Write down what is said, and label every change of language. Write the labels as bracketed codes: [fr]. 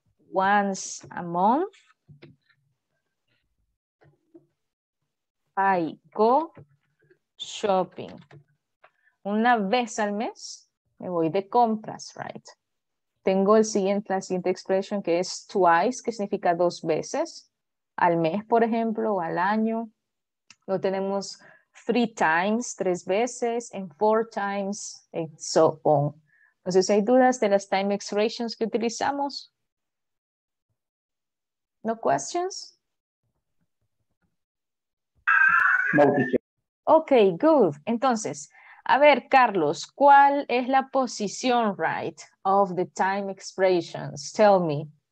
[en] Once a month, I go shopping. [es] Una vez al mes, me voy de compras, [en] right? [es] Tengo la siguiente expresión que es twice, que significa dos veces. Al mes, por ejemplo, o al año. Lo tenemos [en] three times, [es] tres veces, [en] and four times, and so on. [es] Entonces, ¿hay dudas de las time expressions que utilizamos? [en] No questions? No. Okay, good. [es] Entonces, a ver, [en] Carlos, [es] ¿cuál es la posición, [en] right, of the time expressions? Tell me.